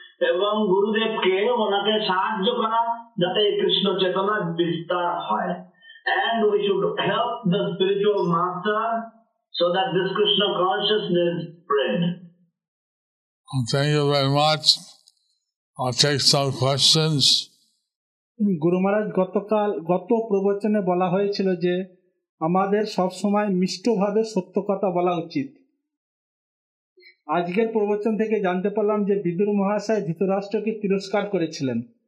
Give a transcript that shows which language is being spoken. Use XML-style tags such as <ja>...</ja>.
<bn>এবং গুরুদেবকে ওনাকে সাহায্য করা যাতে কৃষ্ণ চেতনা বিস্তার হয়.</bn> <en>And we should help the spiritual master so that this Krishna consciousness spread. Thank you very much. I'll take some questions.</en> <bn>গুরু মহারাজ গতকাল গত প্রবচনে বলা হয়েছিল যে আমাদের সবসময় মিষ্টভাবে সত্য কথা বলা উচিত. আজকের প্রবচন থেকে জানতে পারলাম যে বিদুর মহাশয় ধৃতরাষ্ট্রকে তিরস্কার করেছিলেন.</bn>